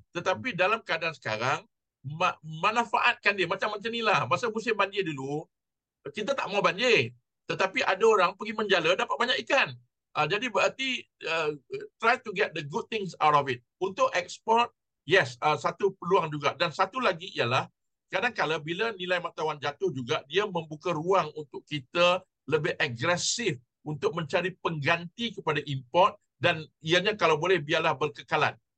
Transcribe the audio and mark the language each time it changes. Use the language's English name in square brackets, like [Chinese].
[Malay] Tetapi dalam keadaan sekarang, manfaatkan dia. Macam-macam inilah. Masa musim banjir dulu, kita tak mau banjir. Tetapi ada orang pergi menjala, dapat banyak ikan. Jadi berarti, [English] try to get the good things out of it. [Malay] Untuk ekspor, yes, satu peluang juga. Dan satu lagi ialah, kadang-kadang bila nilai mata wang jatuh juga, dia membuka ruang untuk kita lebih agresif untuk mencari pengganti kepada import, dan ianya kalau boleh biarlah berkekalan.